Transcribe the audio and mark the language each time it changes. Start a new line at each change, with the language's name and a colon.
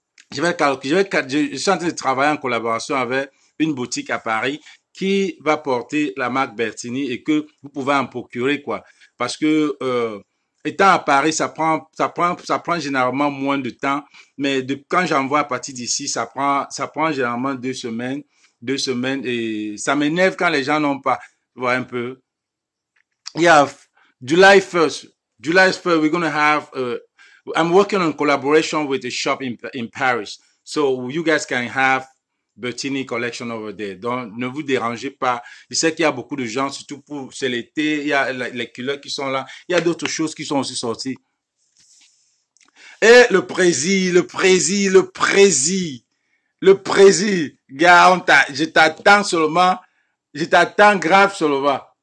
French: Je suis en train de travailler en collaboration avec une boutique à Paris qui va porter la marque Bertini et que vous pouvez en procurer, quoi. Parce que, étant à Paris, ça prend généralement moins de temps, mais quand j'envoie à partir d'ici, ça prend généralement 2 semaines, 2 semaines, et ça m'énerve quand les gens n'ont pas, tu vois, un peu.
English: Yeah, July 1st, July 1st, we're gonna have, I'm working on collaboration with a shop in Paris, so you guys can have Bertini collection over there.
French: Donc, ne vous dérangez pas. Je sais qu'il y a beaucoup de gens, surtout pour c'est l'été. Il y a les culottes qui sont là. Il y a d'autres choses qui sont aussi sorties. Et le Prési, le Prési, le Prési, le Prési. Gars, je t'attends seulement. Je t'attends grave seulement.